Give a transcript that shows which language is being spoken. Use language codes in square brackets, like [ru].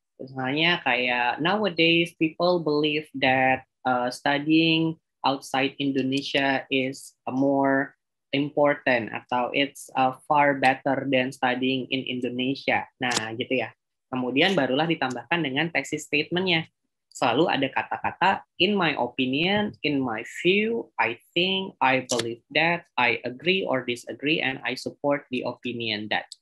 [id] Misalnya kayak [en] nowadays people believe that studying outside Indonesia is more important [id] atau [en] it's far better than studying in Indonesia. [id] Nah, gitu ya. Kemudian barulah ditambahkan dengan thesis statement-nya. Selalu ada kata-kata [en] in my opinion, in my view, I think, I believe that, I agree or disagree and I support the opinion that.